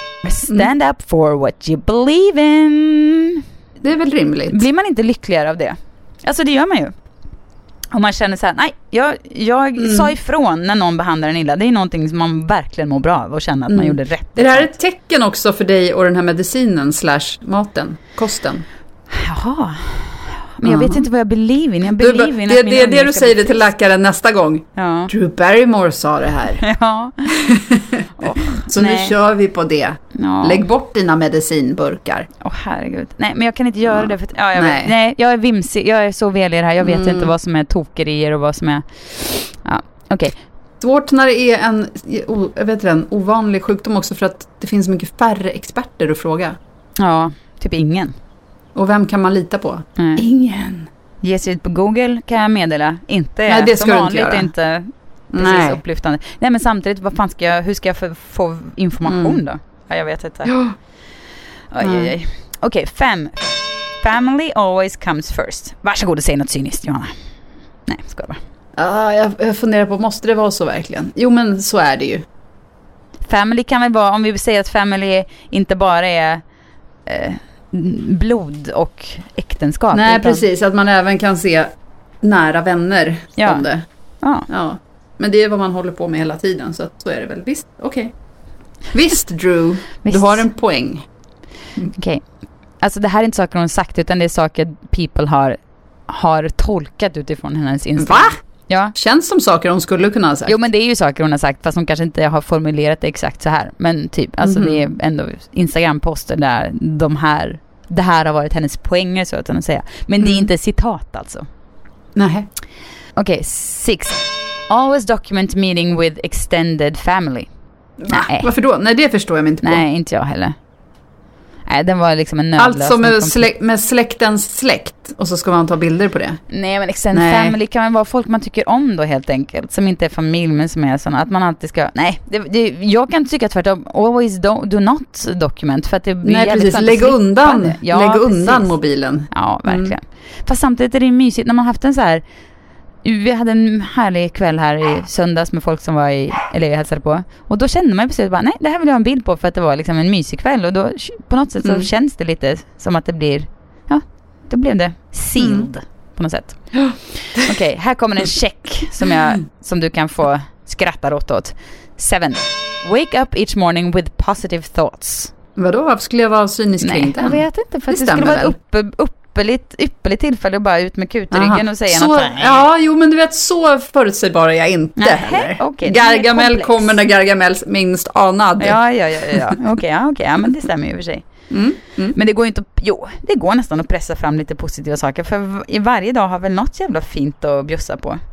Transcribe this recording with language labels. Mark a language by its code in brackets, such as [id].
[en] Stand up for what you believe in. [sv] Det är väl rimligt. Blir man inte lyckligare av det? Alltså det gör man ju. Och man känner så här, nej, jag sa ifrån när någon behandlar en illa. Det är någonting som man verkligen mår bra av och känner att man gjorde rätt. Är det här ett tecken också för dig och den här medicinen/maten, kosten? Jaha. Men jag vet inte vad jag [en] believe in. [sv] Jag believe in att det är det du säger till läkaren nästa gång. Ja. Drew Barrymore sa det här. Ja. Så nu kör vi på det. Ja. Lägg bort dina medicinburkar. Åh, oh, herregud. Nej, men jag kan inte göra det. För att, jag jag är vimsig. Jag är så vel i det här. Jag vet inte vad som är tokerier och vad som är... Ja. Okej. [en] Okay. [sv] Svårt när det är en, jag vet inte, en ovanlig sjukdom också, för att det finns mycket färre experter att fråga. Ja, typ ingen. Och vem kan man lita på? Nej. Ingen. Ge sig ut på Google, kan jag meddela. Inte nej, det som vanligt, inte precis upplyftande. Nej, men samtidigt, vad fan ska jag, hur ska jag få information då? Ja, jag vet inte. Ja. Oj, oj, oj. Okej, fem. [en] Family always comes first. [sv] Varsågod och säg något cyniskt, Johanna. Nej, skoja bara. Jag funderar på, måste det vara så verkligen? Jo, men så är det ju. Family kan väl vara, om vi säger att family inte bara är... blod och äktenskap. Nej, utan... precis. Att man även kan se nära vänner om det. Ja. Ja. Men det är vad man håller på med hela tiden. Så att, så är det väl. Visst, okej. Okay. Visst, Drew. Visst. Du har en poäng. Okej. Okay. Alltså, det här är inte saker hon sagt, utan det är saker people har tolkat utifrån hennes inställning. Va? Ja. Känns som saker hon skulle kunna ha sagt. Jo, men det är ju saker hon har sagt, fast hon kanske inte har formulerat det exakt så här. Men typ, alltså det är ändå Instagram-poster där de här, det här har varit hennes poänger, så att säga. Men det är inte citat alltså. Nej. Okej, six. [en] Always document meeting with extended family. [sv] Va? Nej. Varför då? Nej, det förstår jag mig inte på. Nej, inte jag heller. Nej, den var liksom en nödlösning. Alltså med släktens släkt. Och så ska man ta bilder på det. Nej, men [en] extended family [sv] kan väl vara folk man tycker om då, helt enkelt. Som inte är familj, men som är sådana. Att man alltid ska... Nej, det, jag kan tycka tvärtom. [en] Always do not document. [sv] För att det blir... Nej, precis. Lägg undan. Ja, lägg undan precis. Mobilen. Ja, verkligen. Mm. Fast samtidigt är det mysigt. När man haft en så här... Vi hade en härlig kväll här i söndags med folk som var i, eller jag hälsade på. Och då kände man precis bara, nej, det här vill jag ha en bild på, för att det var liksom en mysig kväll. Och då på något sätt så känns det lite som att det blir, ja, då blev det sealed på något sätt. Okej, okay, här kommer en check som du kan få skratta åt. [en] Seven. Wake up each morning with positive thoughts. [sv] Vadå, varför skulle jag vara cynisk kring den? Nej, jag vet inte, för att det skulle vara ypperligt tillfälle att bara ut med kutryggen och säga så, något. Ja, jo, men du vet, så förutsägbar är jag inte. [en] Okay, [sv] Gargamel kommer när Gargamel minst anad. Ja. Okej, men det stämmer ju för sig. Men det går ju inte, det går nästan att pressa fram lite positiva saker, för varje dag har väl något jävla fint att bjussa på.